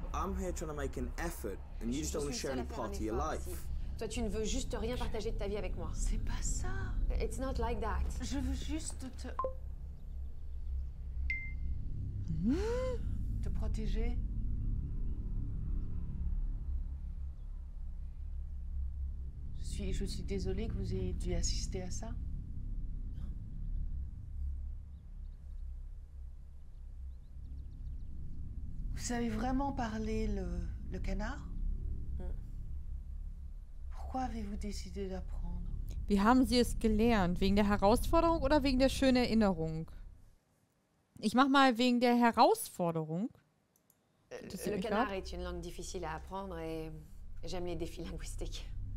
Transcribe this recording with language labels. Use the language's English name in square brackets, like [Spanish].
[English] I'm here trying to make an effort, and you just don't want to share any part of your life. [French] Toi, tu ne veux juste rien partager de ta vie avec moi. C'est pas ça. [English] It's not like that. [French] Je veux juste te... te protéger. Je suis désolée que vous ayez dû assister à ça. Vous savez vraiment parler le canard? Pourquoi avez-vous décidé d'apprendre? [German] Wie haben Sie es gelernt? Wegen der Herausforderung oder wegen der schönen Erinnerung? Ich mach mal wegen der Herausforderung. [French] Le canard est une langue difficile à apprendre et j'aime les défis linguistiques.